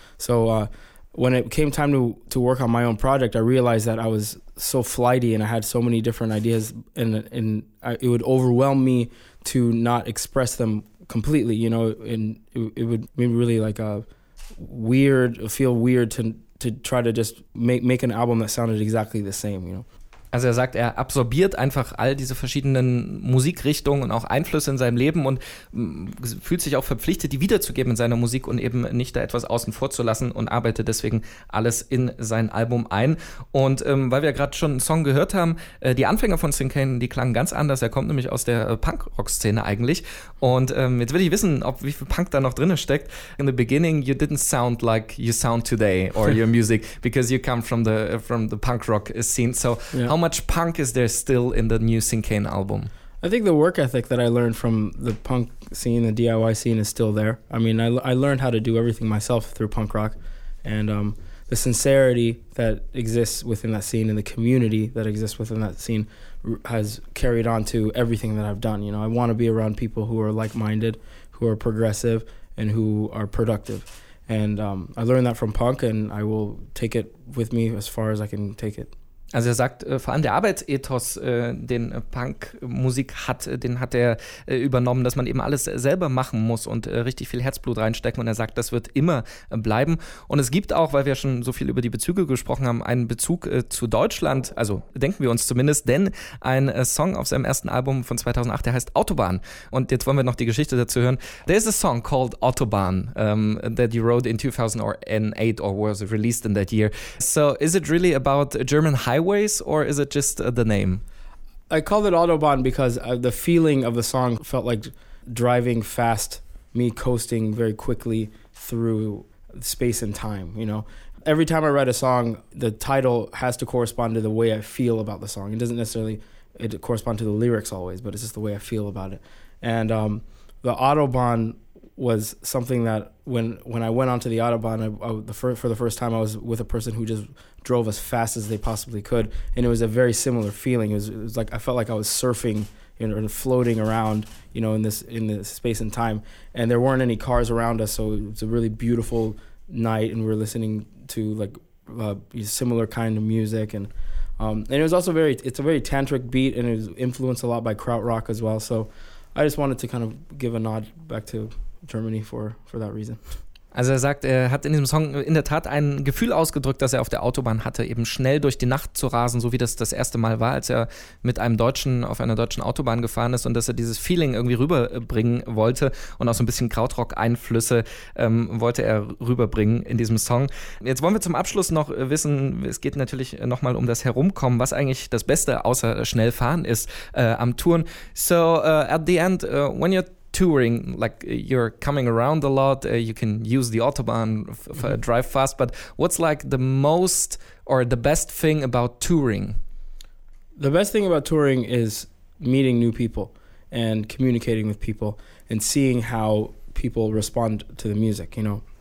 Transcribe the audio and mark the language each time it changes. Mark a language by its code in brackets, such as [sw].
[en] So when it came time to work on my own project, I realized that I was so flighty and I had so many different ideas and it would overwhelm me to not express them completely, you know, and it would be really like a weird, feel weird to try to just make an album that sounded exactly the same, you know. [de] Also er sagt, er absorbiert einfach all diese verschiedenen Musikrichtungen und auch Einflüsse in seinem Leben und fühlt sich auch verpflichtet, die wiederzugeben in seiner Musik und eben nicht da etwas außen vor zu lassen und arbeitet deswegen alles in sein Album ein. Und weil wir gerade schon einen Song gehört haben, die Anfänger von Sing Kane, die klangen ganz anders. Er kommt nämlich aus der Punk-Rock-Szene eigentlich. Und jetzt will ich wissen, ob wie viel Punk da noch drin steckt. [en] In the beginning, you didn't sound like you sound today or your music, because you come from the Punk-Rock-Scene. So yeah. How much punk is there still in the new Sing Kane album? I think the work ethic that I learned from the punk scene, the DIY scene, is still there. I mean, I learned how to do everything myself through punk rock, and the sincerity that exists within that scene and the community that exists within that scene has carried on to everything that I've done. You know, I want to be around people who are like-minded, who are progressive, and who are productive. And I learned that from punk, and I will take it with me as far as I can take it. [de] Also er sagt, vor allem der Arbeitsethos, den Punkmusik hat, den hat er übernommen, dass man eben alles selber machen muss und richtig viel Herzblut reinstecken. Und er sagt, das wird immer bleiben. Und es gibt auch, weil wir schon so viel über die Bezüge gesprochen haben, einen Bezug zu Deutschland, also denken wir uns zumindest, denn ein Song auf seinem ersten Album von 2008, der heißt Autobahn. Und jetzt wollen wir noch die Geschichte dazu hören. [en] There is a song called Autobahn that you wrote in 2008 or was released in that year. So is it really about German highways, or is it just the name? I called it Autobahn because the feeling of the song felt like driving fast, me coasting very quickly through space and time, you know. Every time I write a song, the title has to correspond to the way I feel about the song. It doesn't necessarily correspond to the lyrics always, but it's just the way I feel about it. And the Autobahn was something that when I went onto the Autobahn for the first time, I was with a person who just drove as fast as they possibly could, and it was a very similar feeling. It was like I felt like I was surfing, you know, and floating around, you know, in this space and time, and there weren't any cars around us, so it was a really beautiful night, and we were listening to like similar kind of music, and it was also it's a very tantric beat, and it was influenced a lot by krautrock as well. So I just wanted to kind of give a nod back to Germany for that reason. [de] Also er sagt, er hat in diesem Song in der Tat ein Gefühl ausgedrückt, das er auf der Autobahn hatte, eben schnell durch die Nacht zu rasen, so wie das das erste Mal war, als er mit einem Deutschen auf einer deutschen Autobahn gefahren ist und dass er dieses Feeling irgendwie rüberbringen wollte und auch so ein bisschen Krautrock-Einflüsse wollte er rüberbringen in diesem Song. Jetzt wollen wir zum Abschluss noch wissen, es geht natürlich nochmal um das Herumkommen, was eigentlich das Beste außer schnell fahren ist am Touren. [en] So at the end, when you're touring, like you're coming around a lot, you can use the Autobahn drive fast, but what's like the most or the best thing about touring? The best thing about touring is meeting new people and communicating with people and seeing how people respond to the music, you know.